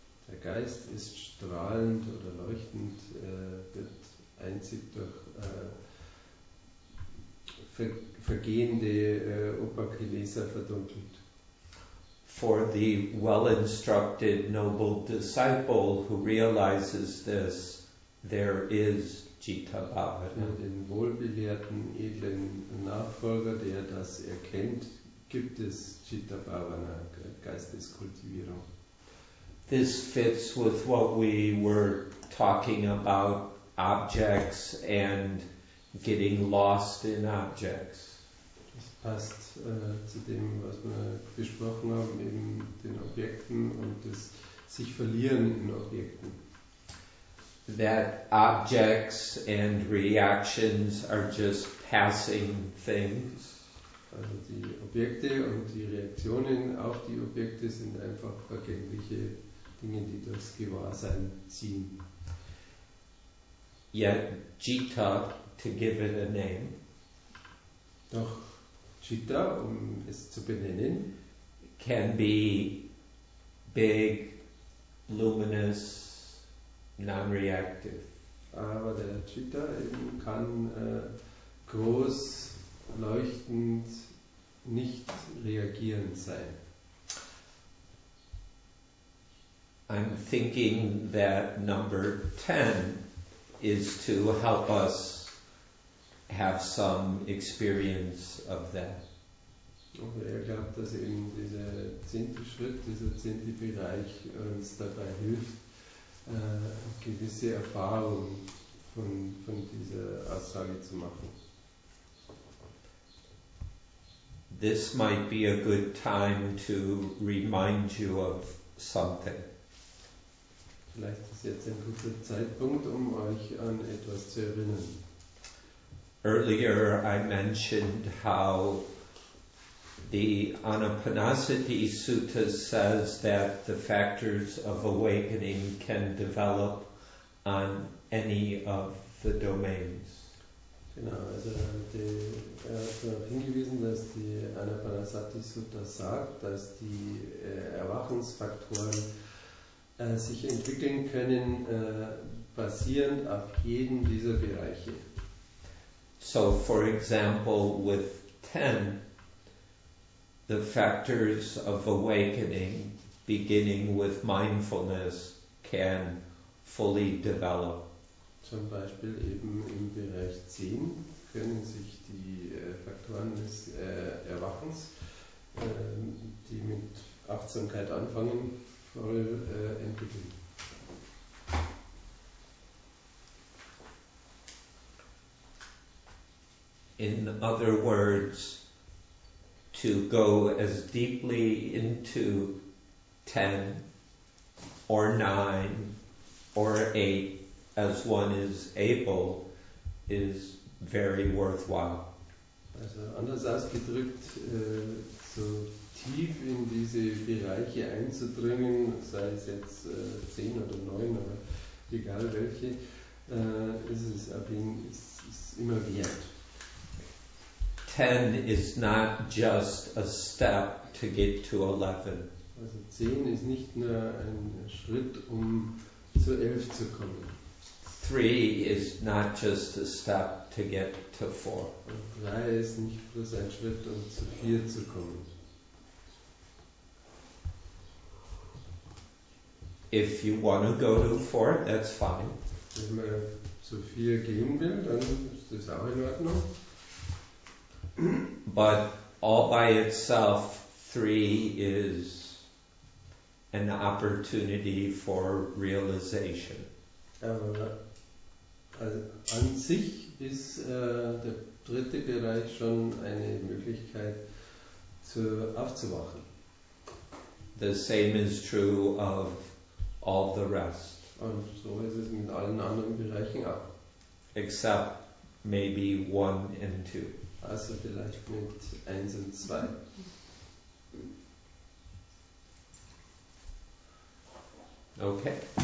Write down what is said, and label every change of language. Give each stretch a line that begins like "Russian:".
German: Der Geist ist strahlend oder leuchtend, wird einzig durch vergehende upakilesa verdunkelt.
English: For the well-instructed noble disciple who realizes this, there is citta bhavana.
German: Für den wohlbelehrten, edlen Nachfolger, der das erkennt, gibt es citta bhavana, Geisteskultivierung.
English: This fits with what we were talking about, objects and getting lost in objects.
German: Passt zu dem, was wir besprochen haben, eben den Objekten und das sich verlieren in Objekten.
English: That objects and reactions are just passing things.
German: Also die Objekte und die Reaktionen auf die Objekte sind einfach vergängliche Dinge, die durchs Gewahrsein ziehen.
English: Yet, citta, to give it a name.
German: Doch. Citta, um es zu benennen,
English: can be big, luminous, non-reactive.
German: Aber der Citta eben kann groß, leuchtend, nicht reagierend sein.
English: I'm thinking that number 10 is to help us have some experience of that.
German: Und er glaubt, dass eben dieser zehnte Schritt, dieser zehnte Bereich uns dabei hilft, eine gewisse Erfahrung von dieser Aussage zu machen.
English: This might be a good time to remind you of something.
German: Vielleicht ist jetzt ein guter Zeitpunkt, um euch an etwas zu erinnern.
English: Earlier I mentioned how the Anapanasati Sutta says that the factors of awakening can develop on any of the domains.
German: Genau, also er hat darauf hingewiesen, dass die Anapanasati Sutta sagt, dass die Erwachungsfaktoren sich entwickeln können, basierend auf jedem dieser Bereiche.
English: So, for example, with 10, the factors of awakening, beginning with mindfulness, can fully develop.
German: Zum Beispiel eben im Bereich 10 können sich die Faktoren des Erwachens, die mit Achtsamkeit anfangen, voll entwickeln.
English: In other words, to go as deeply into 10 or 9 or 8 as one is able is very worthwhile.
German: Also anders ausgedrückt, so tief in diese Bereiche einzudringen, sei es jetzt 10 oder 9, aber egal welche, ist immer wert.
English: 10 is not just a step to get to 11.
German: Also 10 ist nicht nur ein Schritt, um zu 11 zu kommen.
English: 3 is not just a step to get to 4.
German: Und 3 ist nicht bloß ein Schritt, um zu 4 zu kommen.
English: If you want to go to 4, that's fine.
German: Wenn man zu 4 gehen will, dann ist das auch in Ordnung.
English: But all by itself, 3 is an opportunity for realization.
German: Aber an sich ist der dritte Bereich schon eine Möglichkeit, aufzuwachen.
English: The same is true of all the rest.
German: Und so ist es mit allen anderen Bereichen auch.
English: Except maybe 1 and 2.
German: Also vielleicht mit 1 und 2.
English: Okay.